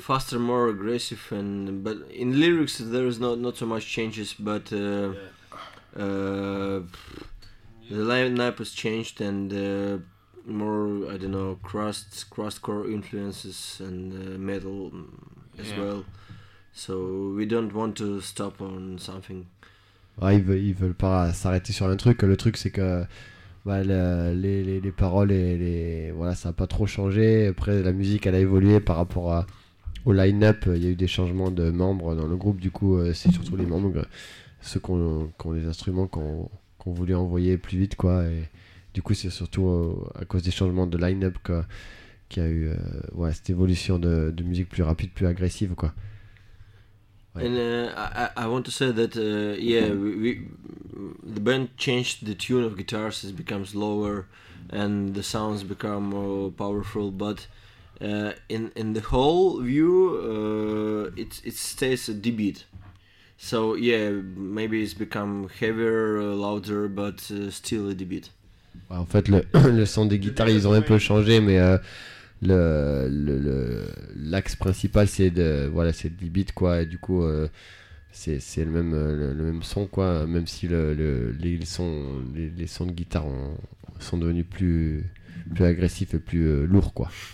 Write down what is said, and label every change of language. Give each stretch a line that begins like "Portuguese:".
English: faster, more aggressive, and but in lyrics there is not so much changes, but the lineup has changed, and more, I don't know, crust core influences and metal as well. So we don't want to stop on something.
French: Ah, ils veulent pas s'arrêter sur un truc. Le truc, c'est que les paroles et les voilà, ça a pas trop changé. Après, la musique, elle a évolué par rapport au line-up. Il y a eu des changements de membres dans le groupe. Du coup, c'est surtout les membres, ceux qui ont les instruments qu'on voulait envoyer plus vite, quoi. Et du coup, c'est surtout à cause des changements de line-up qu'il y a eu cette évolution de musique plus rapide, plus agressive, quoi.
English: And I want to say that the band changed the tune of guitars. It becomes lower, and the sounds become more powerful. But in the whole view, it stays a D-beat. So yeah, maybe it's become heavier, louder, but still a D-beat.
French: Well, en fait, le son des guitares, ils ont un peu changé, mais le l'axe principal, c'est de voilà, c'est de D-beat, quoi. Et du coup c'est le même son, quoi, même si les sons de guitare sont devenus plus agressifs et plus lourds, quoi.